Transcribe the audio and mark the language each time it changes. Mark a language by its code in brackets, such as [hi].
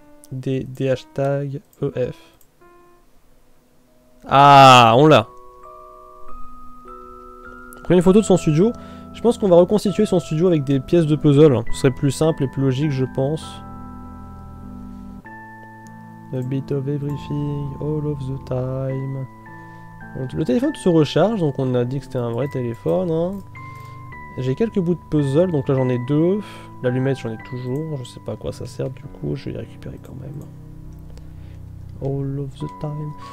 [en] D hashtag EF. [fr] Ah, on l'a. Prenez une photo de son studio. Je pense qu'on va reconstituer son studio avec des pièces de puzzle. Ce serait plus simple et plus logique, je pense. [en] A bit of everything, all of the time. [fr] Le téléphone se recharge, donc on a dit que c'était un vrai téléphone. Hein. J'ai quelques bouts de puzzle, donc là j'en ai deux. L'allumette, j'en ai toujours. Je sais pas à quoi ça sert, du coup, je vais les récupérer quand même. [en] All of the time.